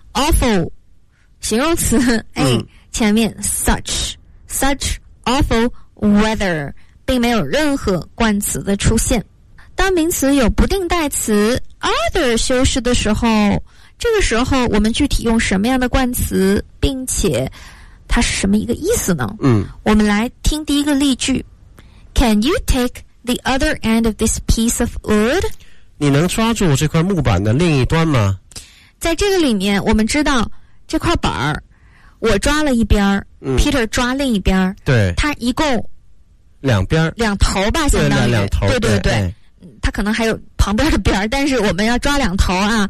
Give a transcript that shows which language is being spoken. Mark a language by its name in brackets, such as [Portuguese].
[Chinese] awful 形容词、哎嗯、前面 [English] such awful weather [Chinese] 并没有任何冠词的出现。当名词有不定代词 other 修饰的时候，这个时候我们具体用什么样的冠词，并且它是什么一个意思呢？嗯，我们来听第一个例句。 [English] Can you take the other end of this piece of wood? [Chinese] 你能抓住这块木板的另一端吗？在这个里面我们知道这块板我抓了一边、嗯、 Peter 抓另一边，对，他一共两边两头吧，相当于两头，对对对，他、哎、可能还有旁边的边，但是我们要抓两头啊。